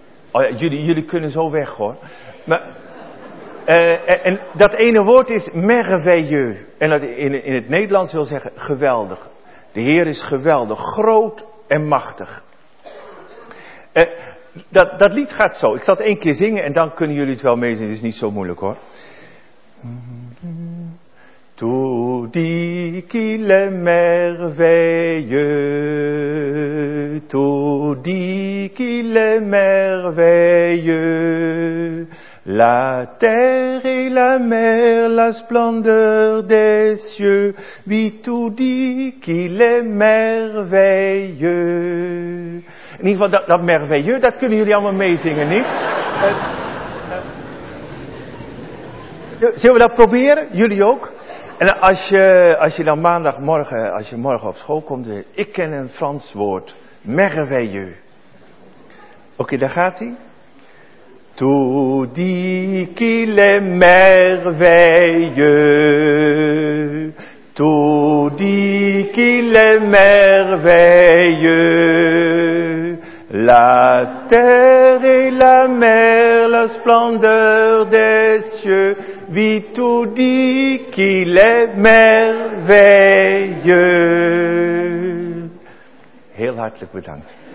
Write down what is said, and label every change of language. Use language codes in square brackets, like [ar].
[nl] Oh ja, jullie kunnen zo weg hoor. Maar, en dat ene woord is merveilleux. En dat in het Nederlands wil zeggen geweldig. De Heer is geweldig, groot en machtig. Dat lied gaat zo. Ik zal het één keer zingen en dan kunnen jullie het wel meezingen. Het is niet zo moeilijk hoor. [fr] Tout dit qu'il est merveilleux, tout dit qu'il est merveilleux, la terre et la mer, la splendeur des cieux, oui, tout dit qu'il est merveilleux. [nl] In ieder geval, dat merveilleux, dat kunnen jullie allemaal meezingen, niet? Zullen we dat proberen? Jullie ook? En als je dan maandagmorgen, als je morgen op school komt, ik ken een Frans woord. Merveilleux. Oké, daar gaat hij. [fr] Tout dit qu'il est merveilleux. Tout dit qu'il est merveilleux. La terre et la mer, la splendeur des cieux, oui, tout dit qu'il est merveilleux. [nl] Heel hartelijk bedankt.